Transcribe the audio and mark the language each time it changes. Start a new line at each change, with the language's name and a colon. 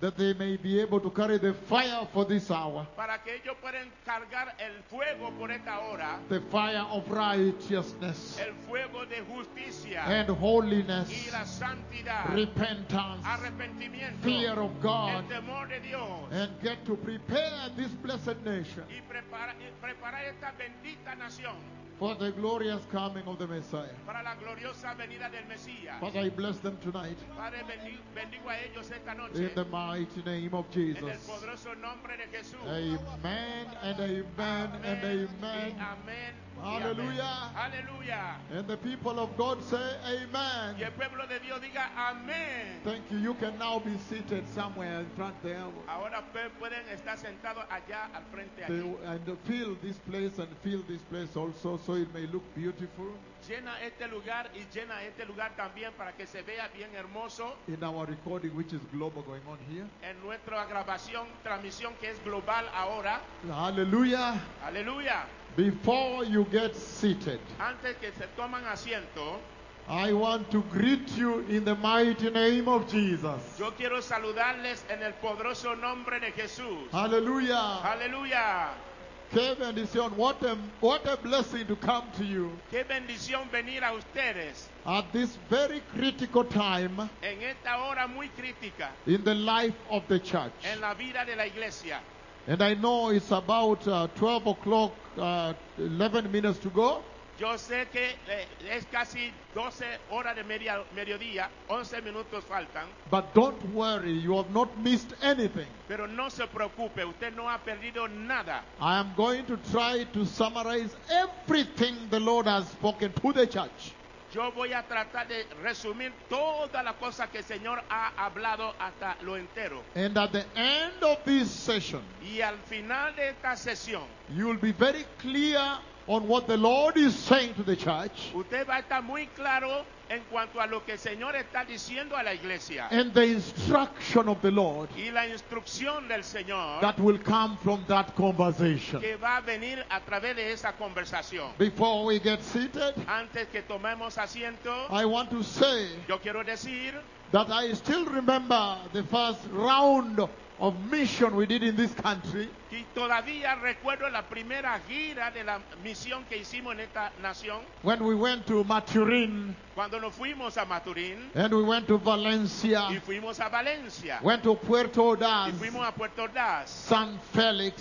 English: that they may be able to carry the fire for this hour.
Spanish: Para que ellos puedan cargar el fuego por esta hora.
English: The fire of righteousness.
Spanish: El fuego de justicia.
English: And holiness.
Spanish: Y la santidad.
English: Repentance.
Spanish: Arrepentimiento.
English: Fear of God.
Spanish: El temor de Dios.
English: And get to prepare this blessed nation.
Spanish: Y preparar esta bendita nación.
English: For the glorious coming of the Messiah.
Spanish: Para la gloriosa venida del Mesías.
English: Father, I bless them tonight.
Spanish: Padre, bendigo a ellos esta noche.
English: In the mighty name of Jesus.
Spanish: En el poderoso nombre de Jesús. Amen and amen, amen and amen. Amen. Hallelujah. Hallelujah.
English: And the people of God say amen.
Spanish: Y el pueblo de Dios diga amen.
English: Thank you. You can now be seated somewhere in front there.
Spanish: Ahora pueden estar sentados allá al frente.
English: And fill this place and fill this place also so it may look beautiful.
Spanish: Llena este lugar y llena este lugar también para que se vea bien hermoso.
English: In our recording, which is global going on here.
Spanish: En nuestra grabación, transmisión que es global ahora. Hallelujah. Hallelujah.
English: Before you get seated,
Spanish: antes que se toman asiento,
English: I want to greet you in the mighty name of Jesus.
Spanish: Yo quiero saludarles en el poderoso nombre de Jesús. Hallelujah. Hallelujah.
English: Kevin Dicion, what a blessing to come to you.
Spanish: Qué bendición venir a ustedes.
English: At this very critical time.
Spanish: En esta hora muy crítica.
English: In the life of the church.
Spanish: En la vida de la iglesia.
English: And I know it's about 12 o'clock, 11 minutes to go.
Spanish: Yo sé que es casi 12 horas de mediodía, 11 minutos faltan.
English: But don't worry, you have not missed anything.
Spanish: Pero no se preocupe, usted no ha perdido nada.
English: I am going to try to summarize everything the Lord has spoken to the church.
Spanish: Yo voy a tratar de resumir toda la cosa que el Señor ha hablado hasta lo entero.
English: And at the end of this session,
Spanish: y al final de esta sesión,
English: you will be very clear on what the Lord is saying to the church.
Spanish: Usted va a estar muy claro en cuanto a lo que el Señor está diciendo a la iglesia.
English: And the instruction of the Lord.
Spanish: Y la instrucción del Señor.
English: That will come from that conversation.
Spanish: Que va a venir a través de esa conversación.
English: Before we get seated.
Spanish: Antes que tomemos asiento.
English: I want to say.
Spanish: Yo quiero decir.
English: That I still remember the first round of mission we did in this country.
Spanish: Y todavía recuerdo la primera gira de la misión que hicimos en esta nación.
English: When we went to Maturin.
Spanish: Cuando nos fuimos a Maturin.
English: And we went to Valencia.
Spanish: Y fuimos a Valencia.
English: Went to Puerto Ordaz.
Spanish: Y fuimos a Puerto Ordaz. San Felix.